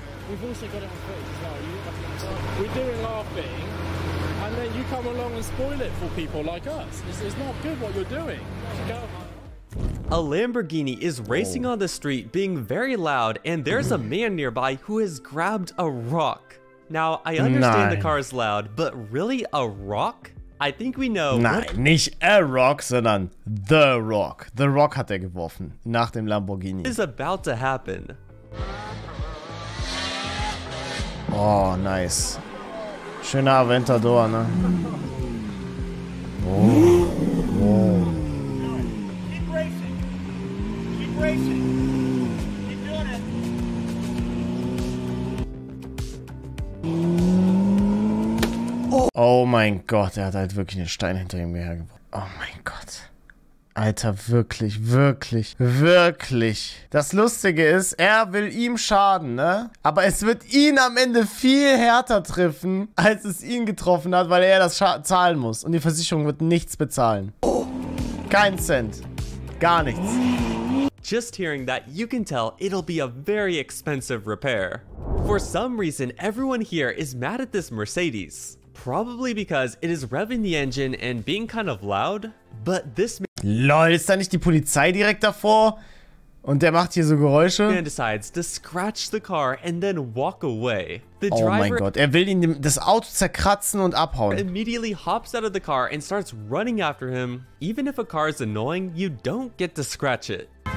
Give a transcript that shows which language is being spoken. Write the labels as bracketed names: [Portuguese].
[English] We've also got it on Twitch as well. We're doing our thing, and then you come along and spoil it for people like us. It's not good what you're doing. Go. A Lamborghini is racing on the street, being very loud, and there's a man nearby who has grabbed a rock. Now, I understand the car is loud, but really a rock? I think we know. [German] Nein, nicht [English] a rock, [German] sondern [English] the rock. The rock [German] hat er geworfen nach dem Lamborghini. [English] Is about to happen. [German] Oh, nice. Schöner Aventador, ne? Oh. Oh. Oh mein Gott, er hat halt wirklich einen Stein hinter ihm hergebracht. Oh mein Gott. Alter, wirklich, wirklich, wirklich. Das Lustige ist, er will ihm schaden, ne? Aber es wird ihn am Ende viel härter treffen, als es ihn getroffen hat, weil er das zahlen muss. Und die Versicherung wird nichts bezahlen. Kein Cent. Gar nichts. [English] Just hearing that, you can tell it'll be a very expensive repair. For some reason, everyone here is mad at this Mercedes. Probably because it is revving the engine and being kind of loud, but this man... [German] LOL, ist da nicht die Polizei direkt davor? Und der macht hier so Geräusche? [English] ...and decides to scratch the car and then walk away. The driver... [German] Oh mein Gott, er will ihn das Auto zerkratzen und abhauen. [English] ...immediately hops out of the car and starts running after him. Even if a car is annoying, you don't get to scratch it.